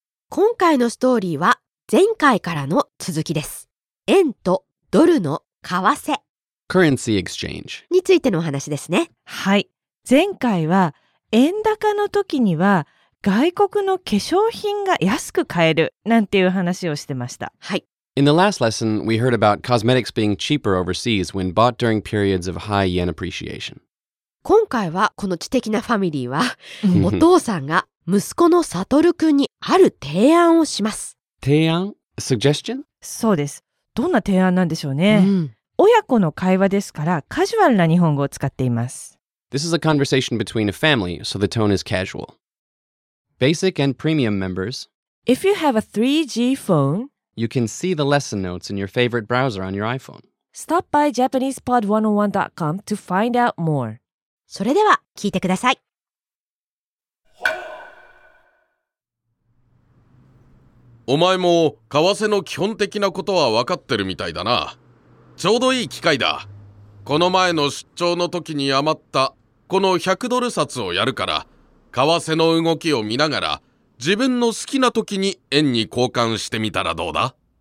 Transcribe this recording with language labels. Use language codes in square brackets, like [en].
[ja] 今回のストーリーは前回からの続きです。円とドルの為替 [en] Currency exchange [ja] についてのお話ですね。はい。前回は円高の時には外国の化粧品が安く買えるなんていう話をしてました。はい。 [en] In the last lesson, we heard about cosmetics being cheaper overseas when bought during periods of high yen appreciation. [ja] 今回はこの知的なファミリーはお父さんが息子のサトル君にある提案をします。提案?Suggestion? そうです。どんな提案なんでしょうね。うん、親子の会話ですからカジュアルな日本語を使っています。 [en] This is a conversation between a family, so the tone is casual. Basic and premium members. If you have a 3G phone, you can see the lesson notes in your favorite browser on your iPhone. Stop by JapanesePod101.com to find out more. [ja] それでは聞いてください。お前も為替の基本的なことは分かってるみたいだな。ちょうどいい機会だ。この前の出張の時に余ったこの100ドル札をやるから、為替の動きを見ながら、自分の好きな時に円に交換してみたらどうだ？